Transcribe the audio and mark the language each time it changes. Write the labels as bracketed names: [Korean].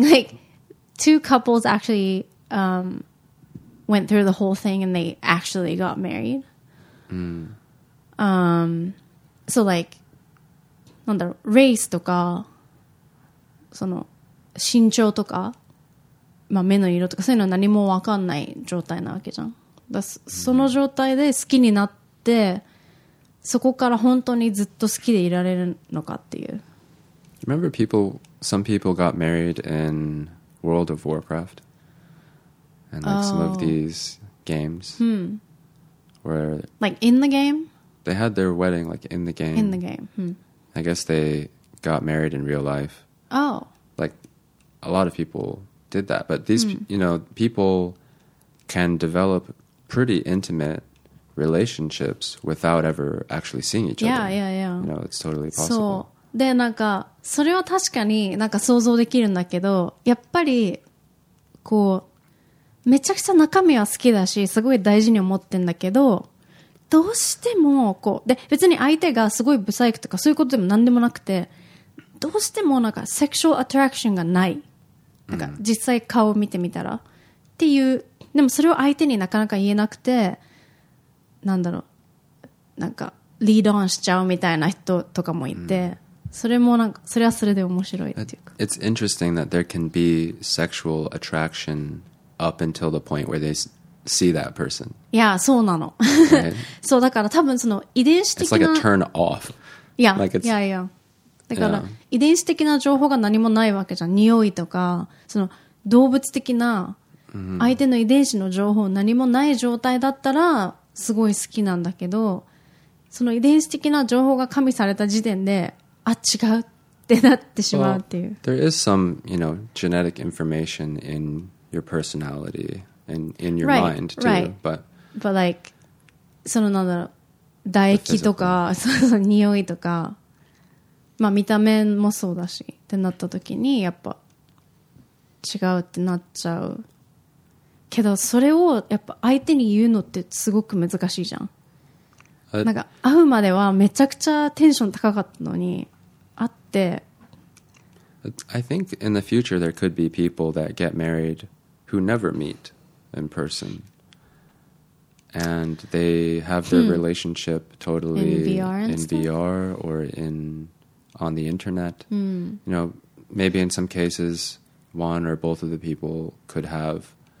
[English] Like, two couples actually went through the whole thing and they actually got married. So, like, [Japanese] なんだろう、race とか、その、身長とか、まあ、目の色とか、そういうのは何も分かんない状態なわけじゃん。だからその状態で好きになって、そこから本当にずっと好きでいられるのかっていう。 [English] Remember people... Some people got married in World of Warcraft and like some of these games where... Like in the game? They had their wedding like in the game. In the game. I guess they got married in real life. Oh. Like a lot of people did that. But these, you know, people can develop pretty intimate relationships without ever actually seeing each other. Yeah, yeah, yeah. You know, it's totally possible. So... [Japanese] でなんかそれは確かになんか想像できるんだけどやっぱりこうめちゃくちゃ中身は好きだしすごい大事に思ってんだけどどうしてもこうで別に相手がすごいブサイクとかそういうことでも何でもなくてどうしてもなんかセクシュアルアトラクションがないなんか実際顔を見てみたらっていうでもそれを相手になかなか言えなくてなんだろうなんかリードオンしちゃうみたいな人とかもいて、それもなんかそれはそれで面白いっていうか。 [English] It's interesting that there can be sexual attraction up until the point where they see that person. [Japanese] いや、そうなの。そうだから多分その遺伝子的な。 [English] It's like a turn off. Yeah, like it's, yeah, yeah. [Japanese] だから遺伝子的な情報が何もないわけじゃん。匂いとかその動物的な相手の遺伝子の情報何もない状態だったらすごい好きなんだけど、その遺伝子的な情報が加味された時点で。あ、違うってなってしまうっていう。 [English] Well, there is some, you know, genetic information in your personality and in your right, mind too. Right. But like, [Japanese] そのなんだろう、唾液とか、匂いとか、まあ見た目もそうだしってなった時にやっぱ違うってなっちゃう。けどそれをやっぱ相手に言うのってすごく難しいじゃん。なんか会うまではめちゃくちゃテンション高かったのに会って [English] I think in the future there could be people that get married who never meet in person and they have their relationship totally in VR or in on the internet you know maybe in some cases one or both of the people could have